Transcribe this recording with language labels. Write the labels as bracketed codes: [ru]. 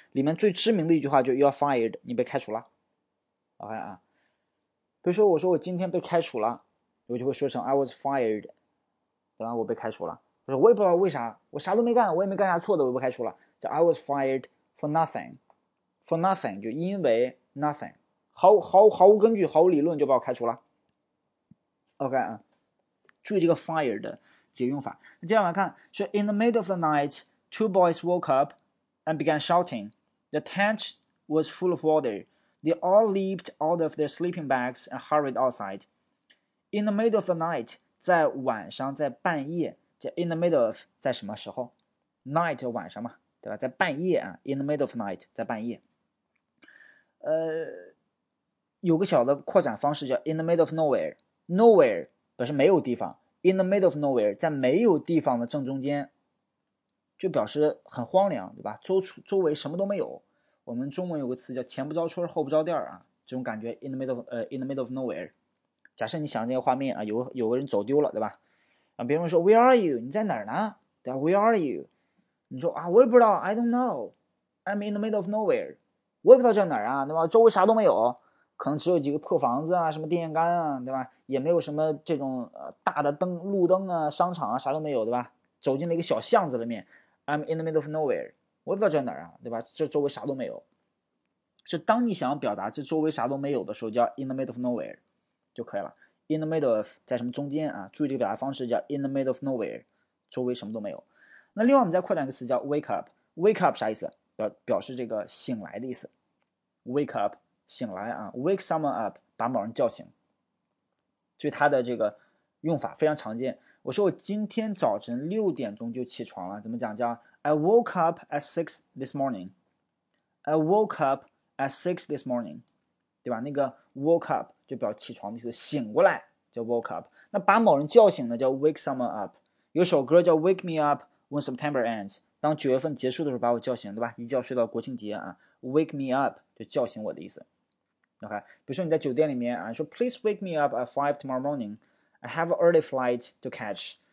[zh] 里面最知名的一句话就 [en] "You are fired"， [zh] 你被开除了。OK 啊，比如说我说我今天被开除了，我就会说成 [en] "I was fired"， [zh] 对吧？我被开除了。我说我也不知道为啥，我啥都没干，我也没干啥错的，我被开除了。叫 [en] "I was fired for nothing"， [zh] for nothing 就因为 nothing，毫无根据，毫无理论就把我开除了。 OK 啊，注意这个 "fired"。几个用法。那接下来看，说 [en] In the middle of the night, two boys woke up and began shouting. The tent was full of water. They all leaped out of their sleeping bags and hurried outside. In the middle of the night， [zh] 在晚上，在半夜，这 in the middle of 在什么时候？night 晚上嘛，对吧？在半夜啊， [en] in the middle of night [zh] 在半夜。有个小的扩展方式叫 [en] in the middle of nowhere， [zh] nowhere 表示没有地方。 [en] In the middle of nowhere， [zh] 在没有地方的正中间，就表示很荒凉，对吧？周围什么都没有。我们中文有个词叫"前不着村后不着店"啊，这种感觉。 [en] In the middle of nowhere， [zh] 假设你想这个画面啊，有个人走丢了，对吧？啊，别人说 [en] "Where are you？ [zh] 你在哪儿呢？对吧？ [en] Where are you？ [zh] 你说啊，我也不知道， [en] I don't know， I'm in the middle of nowhere， [zh] 我也不知道在哪儿啊，对吧？周围啥都没有。可能只有几个破房子啊，什么电线杆啊，对吧？也没有什么这种大的灯、路灯啊、商场啊，啥都没有，对吧？走进了一个小巷子里面， [en] I'm in the middle of nowhere， [zh] 我也不知道在哪儿啊，对吧？这周围啥都没有。就当你想要表达这周围啥都没有的时候，叫 [en] in the middle of nowhere [zh] 就可以了。 in the middle of 在什么中间啊？注意这个表达方式叫 [en] in the middle of nowhere， [zh] 周围什么都没有。那另外我们再扩展一个词叫 wake up，wake up 啥意思？表示这个醒来的意思，wake up。醒来啊， [en] wake someone up， [zh] 把某人叫醒。所以它的这个用法非常常见。我说我今天早晨6点钟就起床了，怎么讲？叫 [en] I woke up at six this morning。 I woke up at six this morning， [zh] 对吧？那个 woke up 就表示起床的意思，醒过来叫 woke up。那把某人叫醒呢，叫 [en] wake someone up。 [zh] 有首歌叫 Wake Me Up When September Ends，当9月份结束的时候把我叫醒，对吧？一觉睡到国庆节啊，Wake Me Up 就叫醒我的意思。 OK，比如说你在酒店里面啊，说 [en] "Please wake me up at 5 tomorrow morning. I have an early flight to catch.